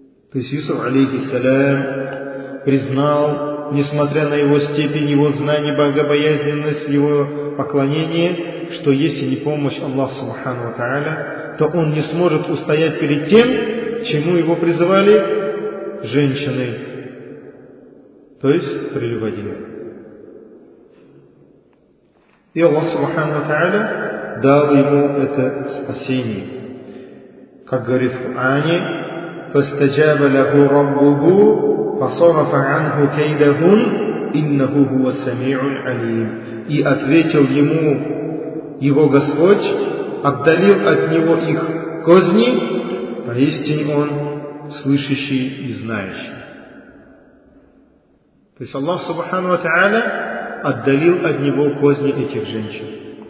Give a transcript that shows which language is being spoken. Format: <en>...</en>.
<ru>То есть Юсуф алейхи салям признал, несмотря на его степень, его знание, богобоязненность, его поклонение, что если не помощь Аллаха Субхану ва Тааля, то он не сможет устоять перед тем, чему его призывали женщины, то есть прелюбодеи. И Аллах Субхану ва Тааля дал ему это спасение. Как говорит в Коране,</ru> <ar>فَاسْتَجَابَ لَهُ رَبُّهُ فَصَرَفَ عَنْهُ كَيْدَهُمْ إِنَّهُ هُوَ السَّمِيعُ الْعَلِيمُ.</ar> <ru>И ответил ему его Господь, отдалил от него их козни, поистине он слышащий и знающий. То есть Аллах Субхану ва Тааля отдалил от него козни этих женщин.</ru>